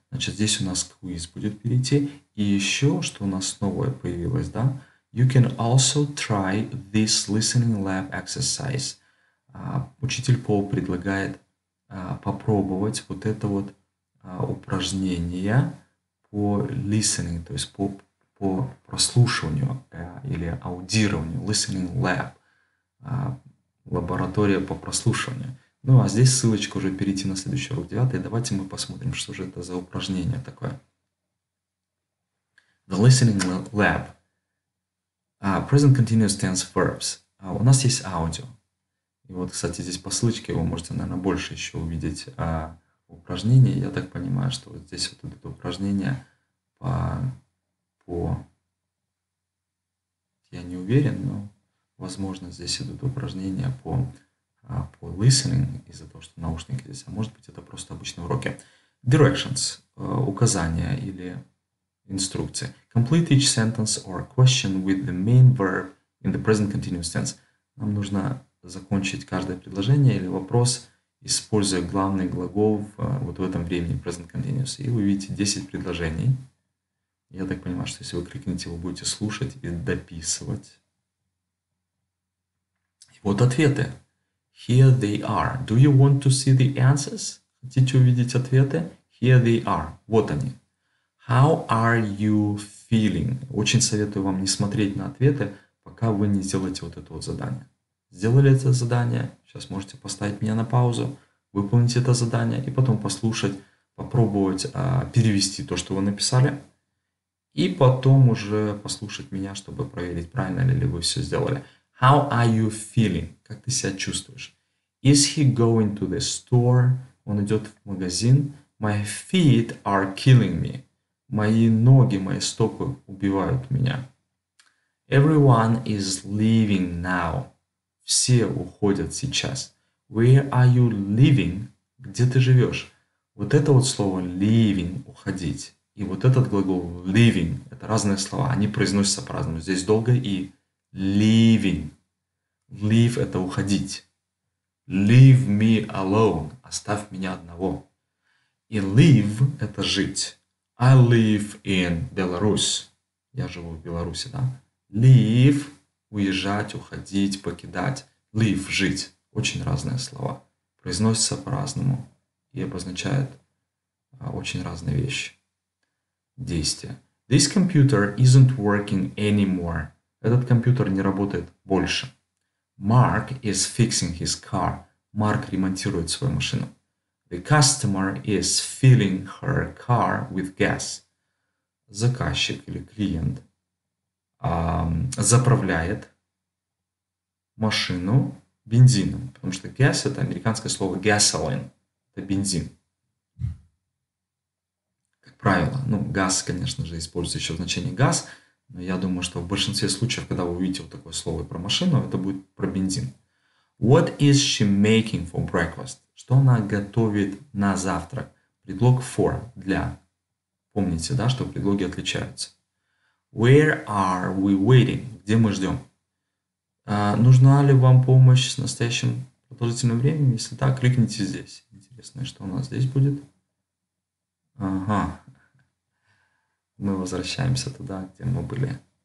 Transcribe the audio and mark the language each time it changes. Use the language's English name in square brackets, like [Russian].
[Russian] Значит, здесь у нас quiz будет перейти. И еще, что у нас новое появилось, да? [English] You can also try this listening lab exercise. [Russian] Учитель Пол предлагает попробовать вот это вот упражнение по listening, то есть по прослушиванию или аудированию, listening lab, лаборатория по прослушиванию. Ну, а здесь ссылочка уже перейти на следующий урок, 9. Давайте мы посмотрим, что же это за упражнение такое. [English] The listening lab. Present continuous tense verbs. [Russian] У нас есть аудио. И вот, кстати, здесь по ссылочке вы можете, наверное, больше еще увидеть упражнение. Я так понимаю, что вот здесь вот это упражнение по... Я не уверен, но, возможно, здесь идут упражнения по listening из-за того, что наушники здесь. А может быть, это просто обычные уроки. [English] Directions. [Russian] Указания или инструкции. [English] Complete each sentence or question with the main verb in the present continuous tense. [Russian] Нам нужно закончить каждое предложение или вопрос, используя главный глагол вот в этом времени, present continuous. И вы видите 10 предложений. Я так понимаю, что если вы кликните, вы будете слушать и дописывать. И вот ответы. [English] Here they are. Do you want to see the answers? [Russian] Хотите увидеть ответы? [English] Here they are. [Russian] Вот они. [English] How are you feeling? [Russian] Очень советую вам не смотреть на ответы, пока вы не сделаете вот это вот задание. Сделали это задание, сейчас можете поставить меня на паузу, выполнить это задание и потом послушать, попробовать перевести то, что вы написали. И потом уже послушать меня, чтобы проверить, правильно ли вы все сделали. [English] How are you feeling? [Russian] Как ты себя чувствуешь? [English] Is he going to the store? [Russian] Он идет в магазин. [English] My feet are killing me. [Russian] Мои ноги, мои стопы убивают меня. [English] Everyone is leaving now. [Russian] Все уходят сейчас. [English] Where are you living? [Russian] Где ты живешь? Вот это вот слово leaving, уходить. И вот этот глагол leaving, это разные слова. Они произносятся по-разному. Здесь долгое и leaving. Leave это уходить. [English] Leave me alone. [Russian] Оставь меня одного. И live это жить. [English] I live in Belarus. [Russian] Я живу в Беларуси, да? Leave уезжать, уходить, покидать. Leave жить. Очень разные слова. Произносятся по-разному. И обозначают очень разные вещи. Действие. [English] This computer isn't working anymore. [Russian] Этот компьютер не работает больше. [English] Mark is fixing his car. [Russian] Марк ремонтирует свою машину. [English] The customer is filling her car with gas. [Russian] Заказчик или клиент заправляет машину бензином. Потому что gas это американское слово gasoline. Это бензин. Правило. Ну, газ, конечно же, используется еще в значении газ, но я думаю, что в большинстве случаев, когда вы увидите вот такое слово про машину, это будет про бензин. [English] What is she making for breakfast? [Russian] Что она готовит на завтрак? Предлог for, для. Помните, да, что предлоги отличаются. [English] Where are we waiting? [Russian] Где мы ждем? Нужна ли вам помощь с настоящим продолжительным временем? Если да, кликните здесь. Интересно, что у нас здесь будет? Ага. Мы возвращаемся туда, где мы были.